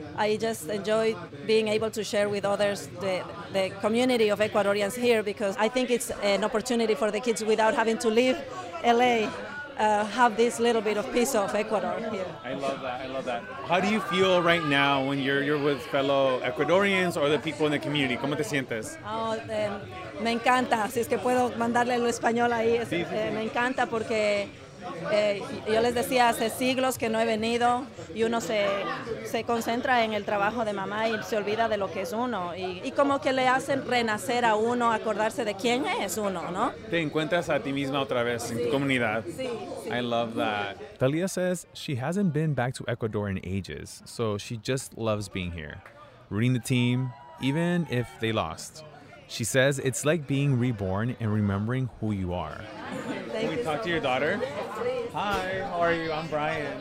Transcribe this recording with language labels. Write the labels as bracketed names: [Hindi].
[English] I just enjoyed being able to share with others the community of Ecuadorians here, because I think it's an opportunity for the kids, without having to leave L.A., have this little bit of piece of Ecuador here. I love that. How do you feel right now when you're with fellow Ecuadorians or the people in the community? [Spanish] ¿Cómo te sientes? Me encanta, si es que puedo mandarle lo español ahí. Me encanta porque yo les decía hace siglos que no he venido y uno se concentra en el trabajo de mamá y se olvida de lo que es uno. Y como que le hacen renacer a uno, acordarse de quién es uno, ¿no? Te encuentras a ti misma otra vez en tu comunidad. Sí. [English] I love that. Talia says she hasn't been back to Ecuador in ages, so she just loves being here, rooting the team, even if they lost. She says it's like being reborn and remembering who you are. Thank Can we you talk so to much. Your daughter? Yes, hi, how are you? I'm Brian.